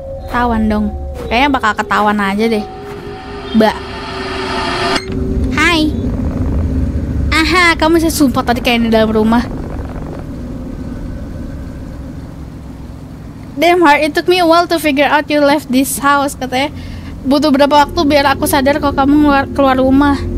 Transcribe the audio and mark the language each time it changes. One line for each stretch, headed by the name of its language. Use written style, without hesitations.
Indonesian: Ketawan dong. Kayaknya bakal ketawan aja deh. Mbak. Hai. Aha, kamu bisa sumpah tadi kayak di dalam rumah.
English: damn hard. It took me a while to figure out you left this house,
Indonesian: katanya. Butuh berapa waktu biar aku sadar kalau kamu keluar rumah.